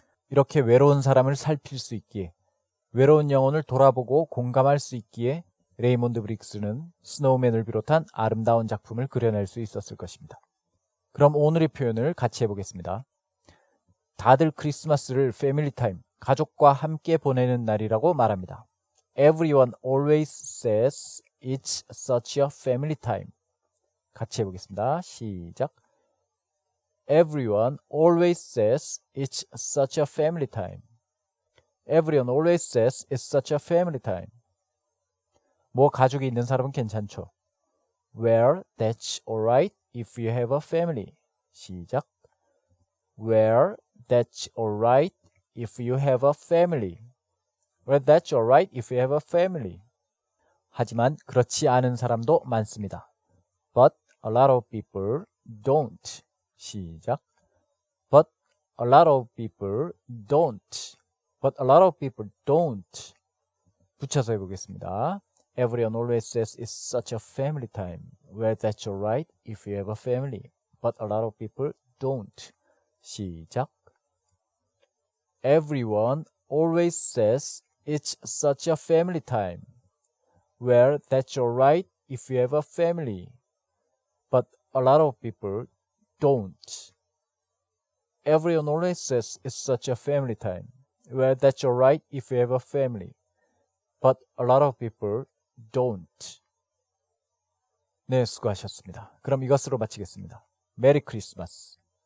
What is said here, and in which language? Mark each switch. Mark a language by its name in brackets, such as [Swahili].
[Korean] 이렇게 외로운 사람을 살필 수 있기에, 외로운 영혼을 돌아보고 공감할 수 있기에 레이몬드 브릭스는 스노우맨을 비롯한 아름다운 작품을 그려낼 수 있었을 것입니다. 그럼 오늘의 표현을 같이 해보겠습니다. 다들 크리스마스를 패밀리 타임, 가족과 함께 보내는 날이라고 말합니다. [English] Everyone always says it's such a family time. [Korean] 같이 해보겠습니다. 시작! [English] Everyone always says it's such a family time. Everyone always says it's such a family time. [Korean] 뭐 가족이 있는 사람은 괜찮죠? [English] Well, that's alright if you have a family. [Korean] 시작! [English] Well, that's alright if you have a family. Well, that's alright if you have a family. [Korean] 하지만 그렇지 않은 사람도 많습니다. [English] But a lot of people don't. [Korean] 시작. [English] But a lot of people don't. But a lot of people don't. [Korean] 붙여서 해보겠습니다. [English] Everyone always says it's such a family time. Well, that's alright if you have a family. But a lot of people don't. [Korean] 시작. [English] Everyone always says it's such a family time. Well, that's alright if you have a family. But a lot of people don't. Everyone always says it's such a family time. Well, that's alright if you have a family. But a lot of people don't. [Korean] 네, 수고하셨습니다. 그럼 이것으로 마치겠습니다. 메리 크리스마스.